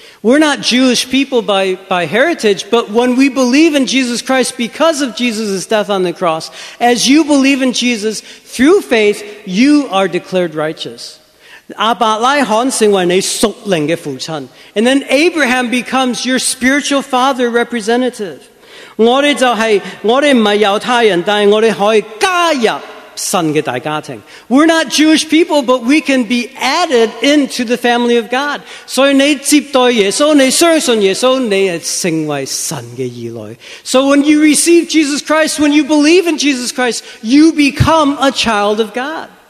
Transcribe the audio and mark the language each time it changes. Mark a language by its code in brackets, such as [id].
[en] We're not Jewish people by heritage, but when we believe in Jesus Christ because of Jesus' death on the cross, as you believe in Jesus through faith, you are declared righteous. [zh] 亚伯拉罕成为你属灵的父亲, [en] and then Abraham becomes your spiritual father representative. [zh] 我们就是,我们不是犹太人,但是我们可以加入神的大家庭。 [en] We're not Jewish people, but we can be added into the family of God. [zh] 所以你接待耶稣，你相信耶稣，你成为神的儿女。 [en] So when you receive Jesus Christ, when you believe in Jesus Christ, you become a child of God.